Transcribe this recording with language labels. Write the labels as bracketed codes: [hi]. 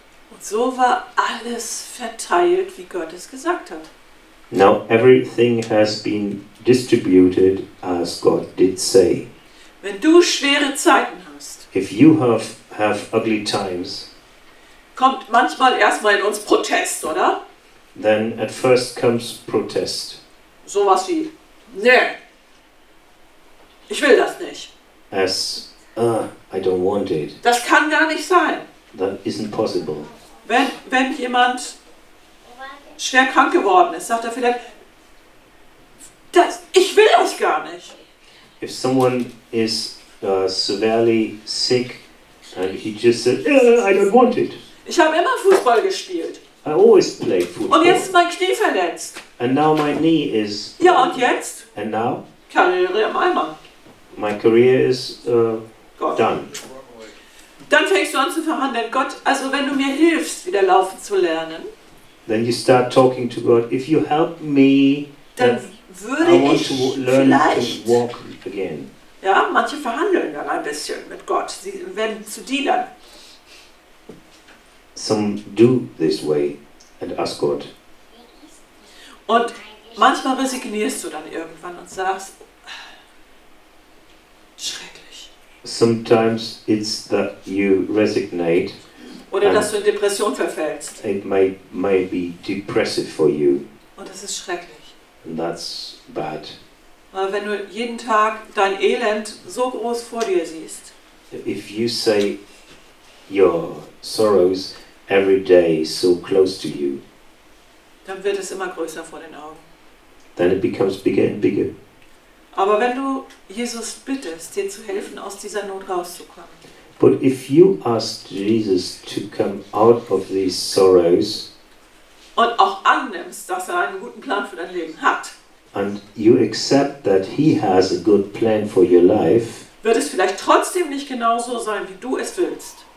[de] Und so war alles verteilt, wie Gott es gesagt hat. [en] Now everything has been distributed as God did say. [de] Wenn du schwere Zeiten hast, [en] if you have ugly times, [de] kommt manchmal erstmal in uns Protest, oder? [en] Then at first comes protest. [de] Sowas wie, nee, ich will das nicht. [en] As, I don't want it. [de] Das kann gar nicht sein. [en] That isn't possible. [de] Wenn jemand schwer krank geworden ist, sagt er vielleicht, ich will das gar nicht. [en] If someone is severely sick, and he just said, I don't want it. [de] Ich habe immer Fußball gespielt. [en] I always played football. [de] Und jetzt ist mein Knie verletzt. [en] And now my knee is... [de] Ja, und jetzt? [en] And now? [de] Karriere im Eimer. [en] My career is done. [de] Dann fängst du an zu verhandeln. Gott, also wenn du mir hilfst, wieder laufen zu lernen. [en] Then you start talking to God. If you help me, [de] dann würde ich [en] learn [de] vielleicht... [en] To walk again. [de] Ja, manche verhandeln dann ein bisschen mit Gott. Sie werden zu Dealern. [en] Some do this way and ask God. [de] Und manchmal resignierst du dann irgendwann und sagst, schrecklich. [en] Sometimes it's that you resignate. [de] Oder dass du in Depression verfällst. [en] It may be depressive for you. [de] Und das ist schrecklich. [en] And that's bad. [de] Weil wenn du jeden Tag dein Elend so groß vor dir siehst. [en] If you say your sorrows every day so close to you. [de] Dann wird es immer größer vor den Augen. [en] Then it becomes bigger and bigger. [de] Aber wenn du Jesus bittest, dir zu helfen, aus dieser Not rauszukommen. [en] But if you ask Jesus to come out of these sorrows. [de] Und auch annimmst, dass er einen guten Plan für dein Leben hat. [en] And you accept that he has a good plan for your life. [de] Wird es vielleicht trotzdem nicht genauso sein, wie du es willst.